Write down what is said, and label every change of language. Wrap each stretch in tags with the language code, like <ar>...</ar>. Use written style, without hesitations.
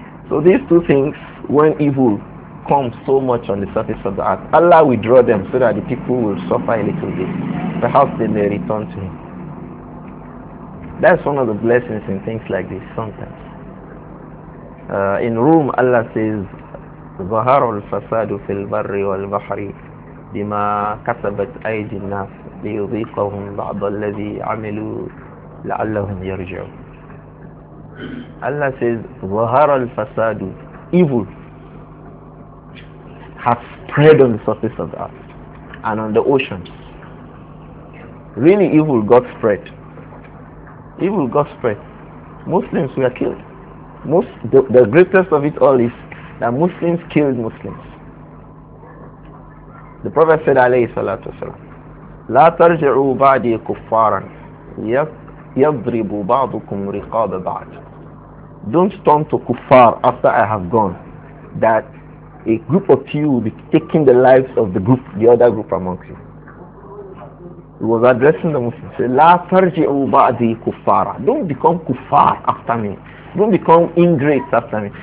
<en>So these two things, when evil comes so much on the surface of the earth, Allah will draw them so that the people will suffer a little bit. Perhaps they may return to him. That's one of the blessings in things like this sometimes. In Rum, Allah says,</en> <ar>ظهر الفساد في البر والبحر بما كسبت أيدي الناس ليذيقهم بعض الذي عملوا لعلهم يرجعون.</ar> <en>Allah says,</en> <ar>ظهر الفساد,</ar> <en>evil has spread on the surface of the earth and on the oceans. Really, evil got spread. Evil got spread. Muslims were killed. The greatest of it all is that Muslims killed Muslims. The Prophet said,</en> <ar>عليه الصلاة والسلام, لا ترجعوا بعدي كفارا يضرب بعضكم رقاب بعض.</ar> <en>Don't turn to kuffar after I have gone, that a group of you will be taking the lives of the group, the other group amongst you. He was addressing the Muslims. Say,</en> <ar>La tarji'u ba'di kuffara.</ar> <en>Don't become kuffar after me. Don't become ingrates after me.</en>